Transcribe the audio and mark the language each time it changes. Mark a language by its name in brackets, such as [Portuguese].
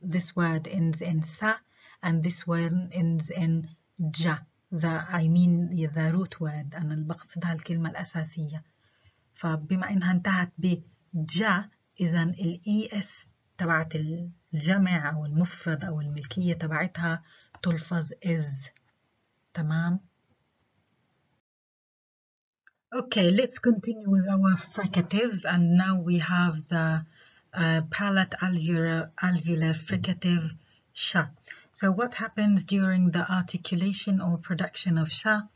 [English] This word ends in سا and this one ends in جا. The root word. [Arabic] أنا اللي بقصدها الكلمة الأساسية. فبما إنها انتهت بجا إذا الـ ES تبعت الجمع أو المفرد أو الملكية تبعتها تلفظ is. [English] تمام؟ Okay, let's continue with our fricatives and now we have the palate alveolar fricative sh. So what happens during the articulation or production of sh?